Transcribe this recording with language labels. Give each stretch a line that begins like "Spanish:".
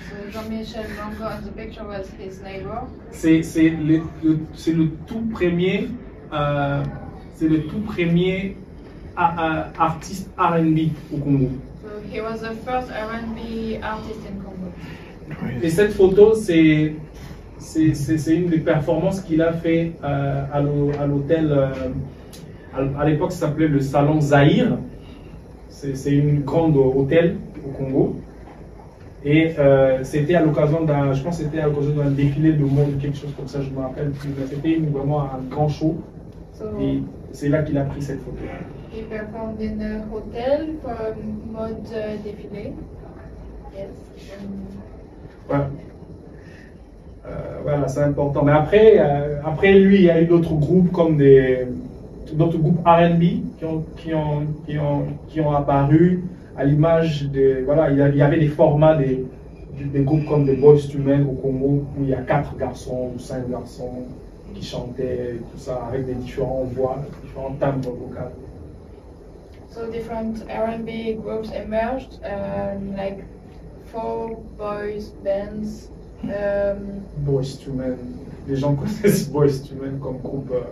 English: Jean-Michel Lanco on the picture was his neighbor.
French: C'est le tout premier. C'est le tout premier artiste R&B au Congo. So he was the first R&B artist in Congo. Et cette photo, c'est une des performances qu'il a fait à l'hôtel. À l'époque, ça s'appelait le Salon Zaïre. C'est une grande hôtel au Congo. Et c'était à l'occasion d'un, je pense que c'était à l'occasion d'un défilé de mode, quelque chose comme ça, je me rappelle plus. Mais c'était vraiment un grand show. Et c'est là qu'il a pris cette photo.
English: Il performed in a hotel for
French: mode défilé.
English: Yes.
French: Voilà. Voilà, c'est important. Mais après, après lui, il y a eu d'autres groupes comme des d'autres groupes R&B qui ont apparu à l'image de voilà, il y avait des formats des groupes comme des Boyz II Men au Congo où il y a quatre garçons ou cinq garçons qui chantaient tout ça avec des différentes voix, différents timbres vocaux.
English: So different R&B groups emerged like four boys bands.
French: Boyz II Men, les gens connaissent Boyz II Men comme groupe.